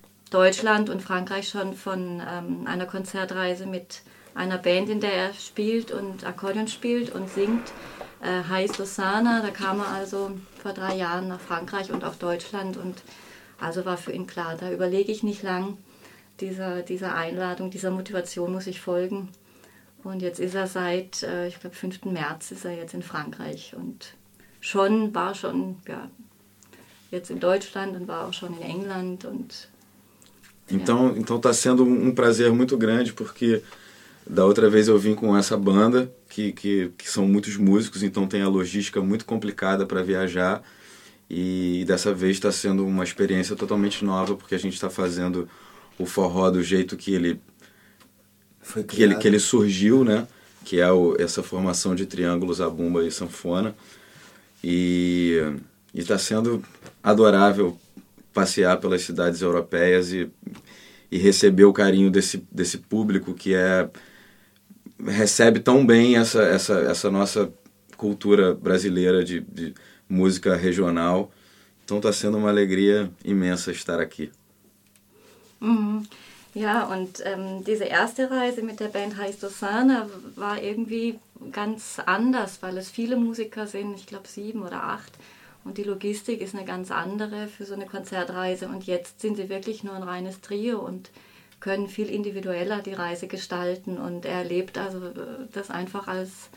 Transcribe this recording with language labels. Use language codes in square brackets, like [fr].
[de] Deutschland und Frankreich schon von einer Konzertreise mit einer Band, in der er spielt und Akkordeon spielt und singt, heißt Osana, da kam er also vor 3 Jahren nach Frankreich und auch Deutschland und also war für ihn klar, da überlege ich nicht lang, dieser Einladung, dieser Motivation muss ich folgen. Und jetzt ist er seit, ich glaube, 5. März ist er jetzt in Frankreich und war schon jetzt in Deutschland und war auch schon in England. Und, [pt] então tá sendo prazer muito grande, porque da outra vez eu vim com essa banda, que são muitos músicos, então tem a logística muito complicada para viajar. E dessa vez está sendo uma experiência totalmente nova, porque a gente está fazendo o forró do jeito que ele, foi que ele surgiu, né? Que é essa formação de triângulos, a bumba e sanfona. E está sendo adorável passear pelas cidades europeias e receber o carinho desse público que recebe tão bem essa nossa cultura brasileira de música regional. Então tá sendo uma alegria imensa estar aqui. [de] Ja, und diese erste Reise mit der Band Heist Osana war irgendwie ganz anders, weil es viele Musiker sind, ich glaube 7 oder 8, und die Logistik ist eine ganz andere für so eine Konzertreise, und jetzt sind sie wirklich nur ein reines Trio und können viel individueller die Reise gestalten, und er erlebt also das einfach als